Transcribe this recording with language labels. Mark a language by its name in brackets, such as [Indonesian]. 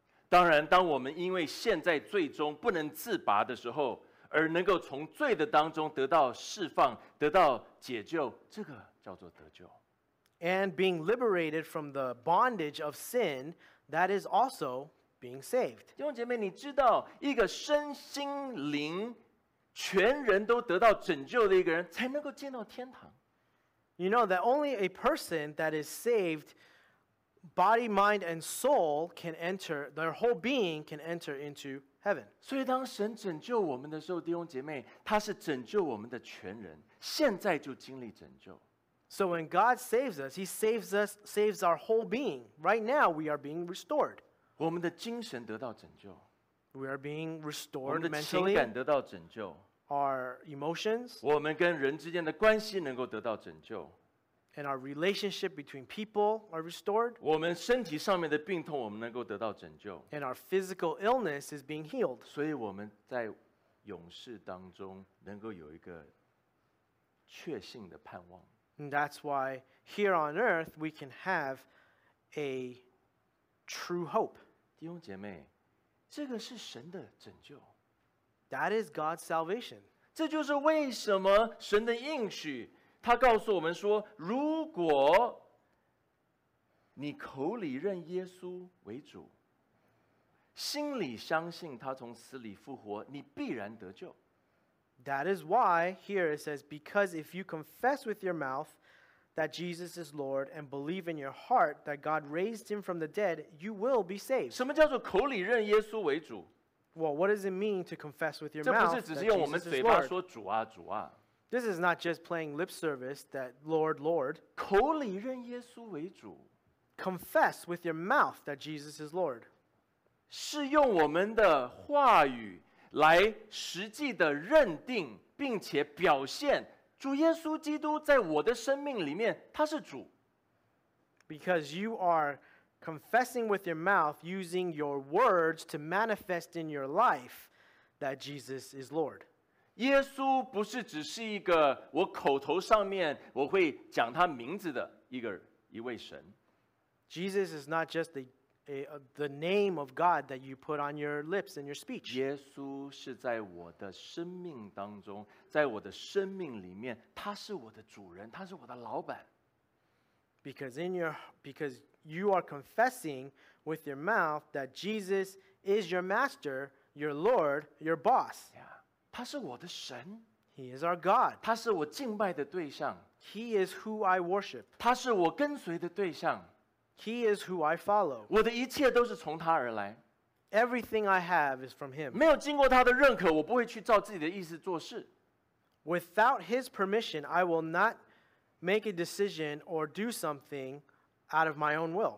[Chinese] 当然，当我们因为陷在罪中不能自拔的时候，而能够从罪的当中得到释放，得到解救，这个叫做得救。 [English] And being liberated from the bondage of sin, that is also being saved. [Chinese] 弟兄姐妹，你知道一个身心灵全人都得到拯救的一个人，才能够见到天堂。 [English] You know that only a person that is saved, body, mind, and soul can enter, their whole being can enter into heaven. [Chinese] 所以当神拯救我们的时候，弟兄姐妹，他是拯救我们的全人，现在就经历拯救。 [English] So when God saves us, he saves us, saves our whole being. Right now, we are being restored. [Chinese] 我们的精神得到拯救。 [English] We are being restored mentally. [Chinese] 我们的情感得到拯救。 [English] Our emotions, [Chinese] 我们跟人之间的关系能够得到拯救。 [English] And our relationship between people are restored. [Chinese] 我们身体上面的病痛我们能够得到拯救。 [English] And our physical illness is being healed. [Chinese] 所以我们在永世当中能够有一个确信的盼望。 [English] And that's why here on earth we can have a true hope. [Chinese] 弟兄姐妹，这个是神的拯救。 [English] That is God's salvation. [Chinese] 这就是为什么神的应许，他告诉我们说，如果你口里认耶稣为主，心里相信他从死里复活，你必然得救。 [English] That is why here it says, because if you confess with your mouth that Jesus is Lord and believe in your heart that God raised him from the dead, you will be saved. [Chinese] 什么叫做口里认耶稣为主？ [English] Well, what does it mean to confess with your mouth that Jesus is Lord? [Chinese] 这不是只是用我们嘴巴说主啊主啊。 [English] This is not just playing lip service that Lord, Lord. [Chinese] 口里认耶稣为主。 [English] Confess with your mouth that Jesus is Lord. [Chinese] 是用我们的话语来实际的认定并且表现主耶稣基督在我的生命里面他是主。 [English] Because you are confessing with your mouth, using your words to manifest in your life that Jesus is Lord. [Chinese] 耶稣不是只是一个我口头上面我会讲他名字的一位神。 [English] Jesus is not just the name of God that you put on your lips and your speech. [Chinese] 耶稣是在我的生命当中，在我的生命里面，他是我的主人，他是我的老板。 [English] Because you are confessing with your mouth that Jesus is your master, your Lord, your boss. [Chinese] Yeah, 他是我的神。 [English] He is our God. [Chinese] 他是我敬拜的对象。 [English] He is who I worship. [Chinese] 他是我跟随的对象。 [English] He is who I follow. [Chinese] 我的一切都是从他而来。 [English] Everything I have is from him. [Chinese] 没有经过他的认可，我不会去照自己的意思做事。 [English] Without his permission, I will not make a decision or do something out of my own will.